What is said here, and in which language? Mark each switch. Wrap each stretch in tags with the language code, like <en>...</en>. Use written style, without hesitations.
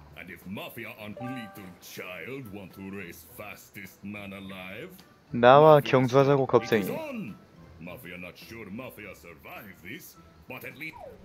<en>And if Mafia and little child want to race fastest man alive,</en> <ko>나와 경주하자고 겁쟁이.</ko> <en>Mafia not sure Mafia survive this, but at least</en>